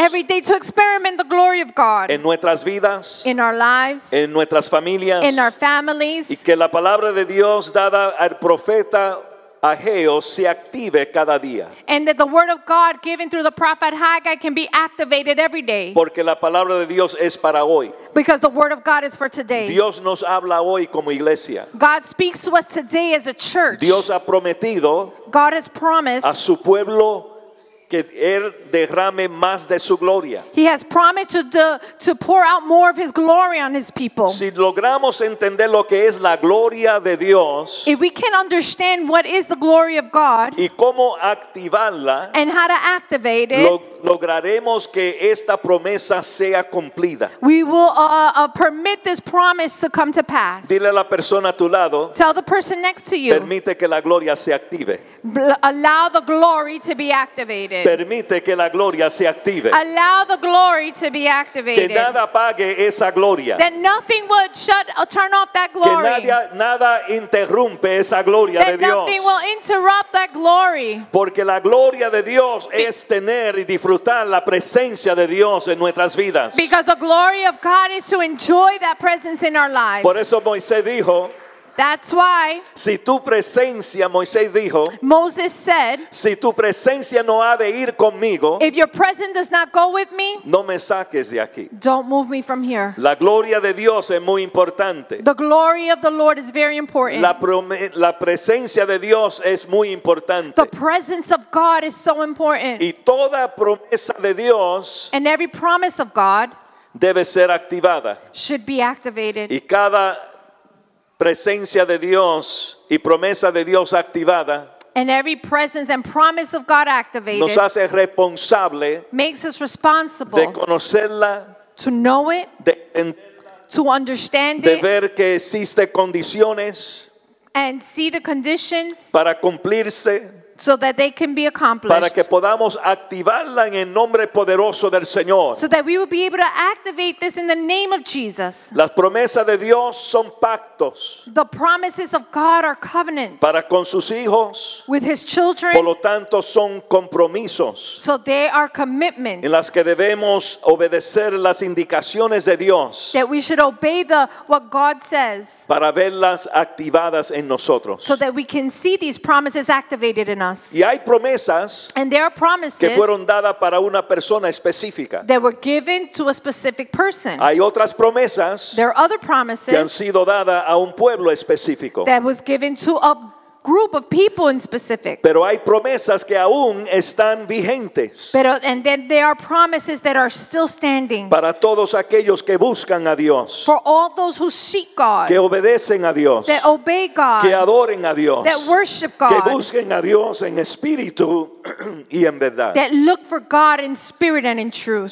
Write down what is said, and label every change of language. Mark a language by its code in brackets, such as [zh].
[en] Every day to experiment the glory of God. [es] En nuestras vidas. [en] In our lives. [es] En nuestras familias. [en] In our families. [es] Y que la palabra de Dios dada al profeta Ageo se active cada día. [en] And that the word of God given through the prophet Haggai can be activated every day. [es] Porque la palabra de Dios es para hoy. [en] Because the word of God is for today. [es] Dios nos habla hoy como iglesia. [en] God speaks to us today as a church. [es] Dios ha prometido. [en] God has promised. [es] A su pueblo que él derrame más de su gloria. [en] He has promised to pour out more of his glory on his people. [es] Si logramos entender lo que es la gloria de Dios, [en] if we can understand what is the glory of God, [es] y cómo activarla, [en] and how to activate it, [es] lograremos que esta promesa sea cumplida. [en] We will permit this promise to come to pass. [es] Dile a la persona a tu lado. [en] Tell the person next to you. [es] Permite que la gloria se active. [en] Allow the glory to be activated. [es] Permite que la gloria se active. [en] Allow the glory to be activated. [es] Que nada apague esa gloria. [en] That nothing would shut or turn off that glory. [es] Que nada interrumpe esa gloria [en] that [es] de Dios. [en] That nothing will interrupt that glory. [es] Porque la gloria de Dios es tener y disfrutar la presencia de Dios en nuestras vidas. [en] Because the glory of God is to enjoy that presence in our lives. [es] Por eso Moisés dijo. [en] That's why. [es] Si tu presencia, Moisés dijo. [en] Moses said. [es] Si tu presencia no ha de ir conmigo. [en] If your presence does not go with me. [es] No me saques de aquí. [en] Don't move me from here. [es] La gloria de Dios es muy importante. [en] The glory of the Lord is very important. [es] La presencia de Dios es muy importante. [en] The presence of God is so important. [es] Y toda promesa de Dios. [en] And every promise of God. [es] Debe ser activada. [en] Should be activated. [es] Y cada presencia de Dios y promesa de Dios activada. [en] And every presence and promise of God activated. [es] Nos hace responsable. [en] Makes us responsible. [es] De conocerla. [en] To know it. [es] De [en] to understand [es] de [en] it. [es] De ver que existe condiciones. [en] And see the conditions. [es] Para cumplirse. [en] So that they can be accomplished. [es] Para que podamos activarla en el nombre poderoso del Señor. [en] So that we will be able to activate this in the name of Jesus. [es] Las promesas de Dios son pactos. [en] The promises of God are covenants. [es] Para con sus hijos. [en] With his children. [es] Por lo tanto son compromisos. [en] So they are commitments. [es] En las que debemos obedecer las indicaciones de Dios. [en] That we should obey the what God says. [es] Para verlas activadas en nosotros. [en] So that we can see these promises activated. [es] Y hay promesas que fueron dadas para una persona específica. [en] That were given to a specific person. [es] Hay otras promesas que han sido dadas a un pueblo específico. [en] That was given to a group of people in specific. [es] Pero hay promesas que aún están vigentes. [en] Pero, and then there are promises that are still standing. [es] Para todos aquellos que buscan a Dios. [en] For all those who seek God. [es] Que obedecen a Dios. [en] That obey God. [es] Que adoren a Dios. [en] That worship God. [es] Que busquen a Dios en espíritu y en verdad. [en] That look for God in spirit and in truth.